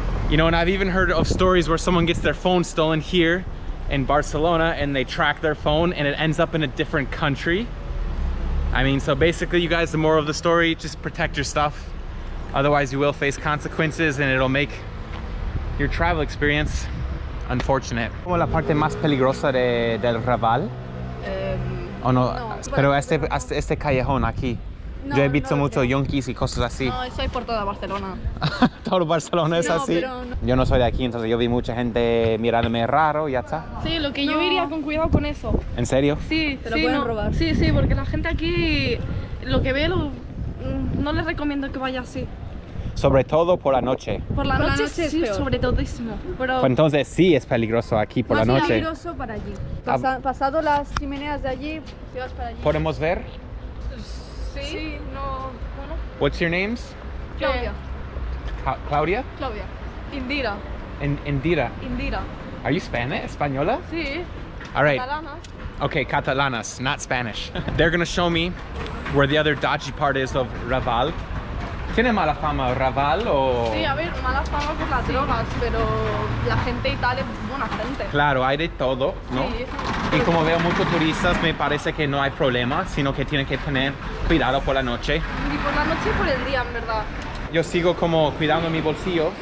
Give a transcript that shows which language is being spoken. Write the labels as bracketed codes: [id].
[en] You know, and I've even heard of stories where someone gets their phone stolen here in Barcelona and they track their phone and it ends up in a different country. I mean, so basically, you guys, the moral of the story, just protect your stuff. Otherwise, you will face consequences and it'll make your travel experience unfortunate. [es] Como la parte más peligrosa de del Raval. O no, pero este callejón aquí. Yo he visto mucho yonkis y cosas así. No, eso es por toda Barcelona. Todo Barcelona es así. Yo no soy de aquí, entonces yo vi mucha gente mirándome raro y ya está. Sí, lo que yo iría con cuidado con eso. ¿En serio? Sí, te lo pueden robar. Sí, sí, porque la gente aquí lo que ve no les recomiendo que vaya así. Sobre todo por la noche. Por la noche sí, es peor. Sobre todísimo. Pero entonces sí es peligroso aquí por más la noche. Más peligroso para allí. Pasado las chimeneas de allí, si vas para allí. ¿Podemos ver? Sí, sí. No. Bueno. [en] What's your names? Claudia. Claudia? Claudia. Indira. Indira. Indira. Are you Spanish? [es] Española? Sí. [en] All right. [es] Catalanas. [en] Okay, catalanas, not Spanish. They're gonna show me where the other dodgy part is of Raval. [es] ¿Tiene mala fama Raval o...? Sí, a ver, mala fama por las drogas, pero la gente y tal es buena gente. Claro, hay de todo, ¿no? Sí. Y como veo muchos turistas, me parece que no hay problema, sino que tienen que tener cuidado por la noche. Y por la noche y por el día, en verdad. Yo sigo como cuidando mi bolsillo,